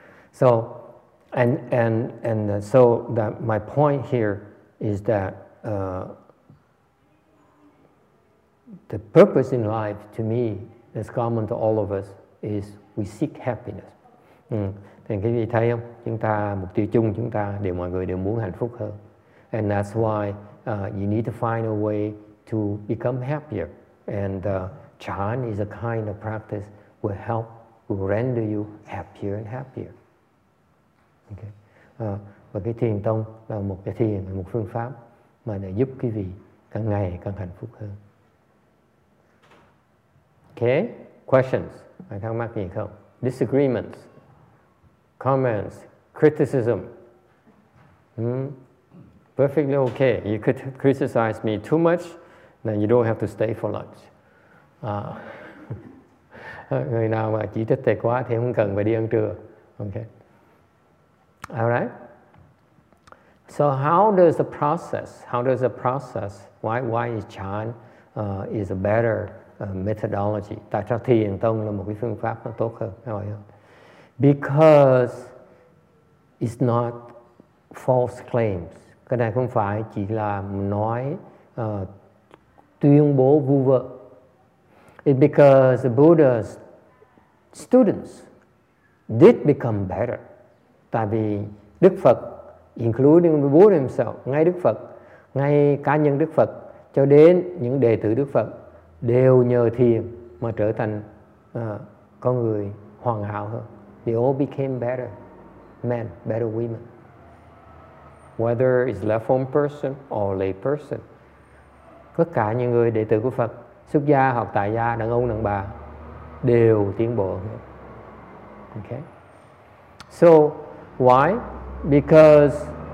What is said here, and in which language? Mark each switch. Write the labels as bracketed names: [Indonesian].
[English] So, so that my point here is that the purpose in life, to me, is common to all of us, is we seek happiness. [Vietnamese] Thì quý vị thấy không? Chúng ta, mục tiêu chung chúng ta, đều mọi người đều muốn hạnh phúc hơn. [English] And that's why you need to find a way to become happier. And chan is a kind of practice will help, will render you happier and happier. Okay. [Vietnamese] Và cái thiền tông là một cái thiền, một phương pháp mà để giúp quý vị càng ngày càng hạnh phúc hơn. Okay, questions, I thắc mắc gì không? [English] Disagreements, comments, criticism. Perfectly okay, you could criticize me too much, then you don't have to stay for lunch. [Vietnamese] Người nào mà chỉ trích thầy quá thì không cần phải đi ăn trưa. [English] Okay, all right. So how does the process, why is chan is a better methodology. [Vietnamese] Tại sao thiền tông là một cái phương pháp nó tốt hơn? [English] Because it's not false claims. [Vietnamese] Cái này không phải chỉ là nói tuyên bố vu vơ. [English] It's because the Buddha's students did become better. [Vietnamese] Tại vì Đức Phật, [English] including the Buddha himself, [Vietnamese] ngay cá nhân Đức Phật cho đến những đệ tử Đức Phật đều nhờ thiền mà trở thành con người hoàn hảo hơn. [English] They all became better men, better women. Whether it's left home person or lay person. [Vietnamese] Tất cả những người đệ tử của Phật, xuất gia hoặc tại gia, đàn ông, đàn bà, đều tiến bộ hơn. [English] Okay. So, why? Because